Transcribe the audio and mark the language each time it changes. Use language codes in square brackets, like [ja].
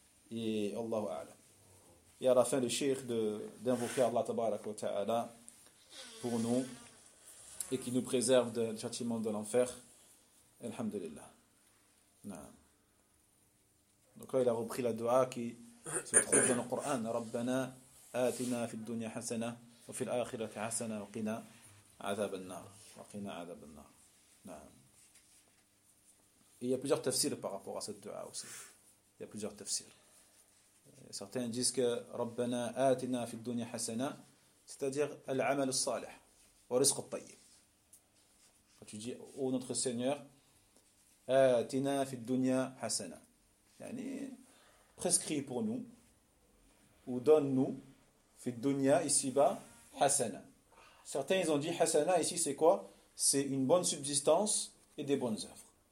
[fr] Et [ar] Allahu A'lam. [fr] Et à la fin, le shaykh d'invoquer Allah tabarak wa ta'ala pour nous et qui nous préserve du châtiment de l'enfer. Alhamdulillah. Donc là, il a repris la dua qui se trouve dans le Coran. [ar] Rabbana. آتنا في الدنيا حسنة وفي الآخرة حسنة وقنا عذاب النار وقنا عذاب النار. نعم. [fr] Il y a plusieurs tafsirs par rapport à cette dua aussi. Il y a plusieurs tafsirs. Certains disent que [ar] ربنا آتنا في الدنيا حسنة, [fr] c'est-à-dire [ar] العمل الصالح ورزق الطيب. [fr] Quand tu dis ô notre Seigneur, [ar] آتنا في الدنيا حسنة, [fr] يعني prescrit pour nous ou donne-nous [ar] fi dunya [fr] ici-bas hasana, Certains, ils ont dit, Hasana, ici, c'est quoi? C'est une bonne subsistance et des bonnes œuvres.